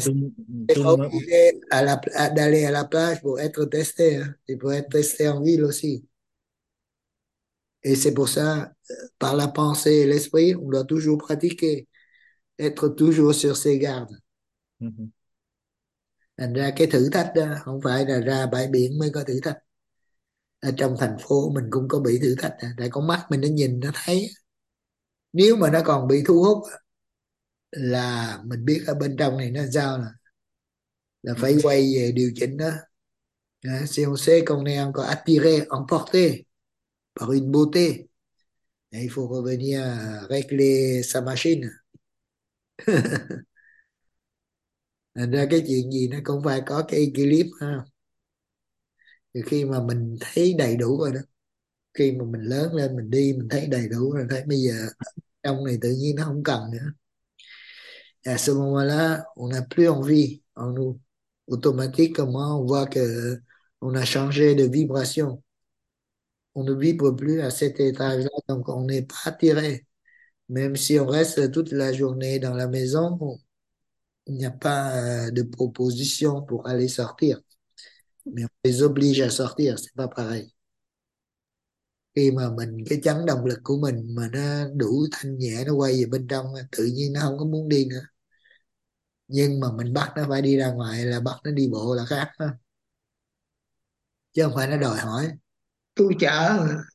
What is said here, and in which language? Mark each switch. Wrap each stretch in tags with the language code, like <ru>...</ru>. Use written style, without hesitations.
<fr>C'est pas tout obligé d'aller à la plage pour être testé. Hein. Il faut être testé en ville aussi. Et c'est pour ça, par la pensée et l'esprit, on doit toujours pratiquer, être toujours sur ses gardes.</fr> <vi>Thành ra cái thử thách đó không phải là ra bãi biển mới có thử thách. Ở trong thành phố mình cũng có bị thử thách, tại con mắt mình nó nhìn nó thấy. Nếu mà nó còn bị thu hút là mình biết ở bên trong này nó sao là phải quay về điều chỉnh đó.</vi> <fr>Si on sait qu'on est encore attiré, emporté par une beauté, il faut revenir régler sa machine.</fr> <vi>Thành ra cái chuyện gì nó cũng phải có cái clip ha. Thì khi mà mình thấy đầy đủ rồi đó, khi mà mình lớn lên mình đi mình thấy đầy đủ rồi, thấy bây giờ trong này tự nhiên nó không cần nữa.</vi> <fr>À ce moment-là, on n'a plus envie en nous. Automatiquement, on voit que on a changé de vibration. On ne vibre plus à cet étage-là, donc on n'est pas attiré. Même si on reste toute la journée dans la maison, bon, il n'y a pas de proposition pour aller sortir. Mais on les oblige à sortir, c'est pas pareil.</fr> <vi>Khi mà mình cái chấn động lực của mình mà nó đủ thanh nhẹ, nó quay về bên trong, tự nhiên nó không có muốn đi nữa. Nhưng mà mình bắt nó phải đi ra ngoài là bắt nó đi bộ là khác đó. Chứ không phải nó đòi hỏi. Tôi chở.</vi>